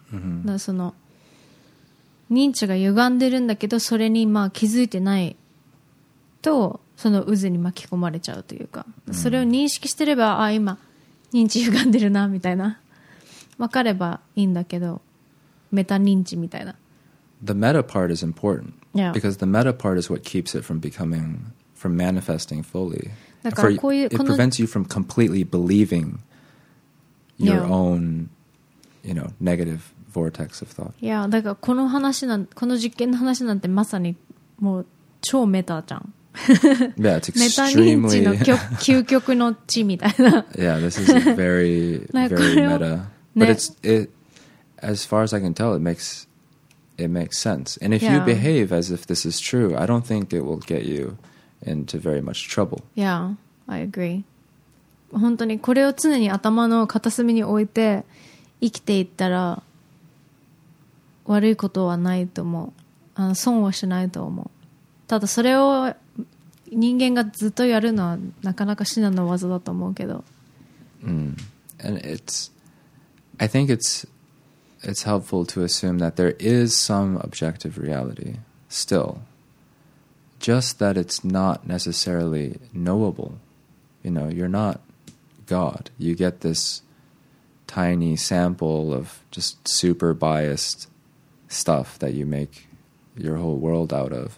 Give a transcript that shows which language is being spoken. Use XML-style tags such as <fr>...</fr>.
<ja>だからその、認知が歪んでるんだけど、それにまあ気づいてないと、その渦に巻き込まれちゃうというか、それを認識してれば、ああ、今、認知歪んでるなみたいな分かればいいんだけど、メタ認知みたいな。</ja> <en>The meta part is important. Yeah. Because the meta part is what keeps it from becoming, from manifesting fully.</en> <ja>だからこういう、</ja> <en>it prevents you from completely believing your own, you know, negative vortex of thought.</en> <ja>Yeah, だからこの話なん、この実験の話なんてまさにもう超メタじゃん。</ja> <en>Yeah, it's extremely Yeah, this is very very meta. But it's, it, as far as I can tell, it makes it makes sense. And if you behave as if this is true, I don't think it will get you into very much trouble. Yeah, I agree.</en> <ja>本当にこれを常に頭の片隅に置いて生きていったら悪いことはないと思う。損はしないと思う。ただそれを人間がずっとやるのはなかなか至難の業だと思うけど。</ja> <en>And it's, I think it's helpful to assume that there is some objective reality still. Just that it's not necessarily knowable. You know, you're not God. You get this tiny sample of just super biased stuff that you make your whole world out of.</en>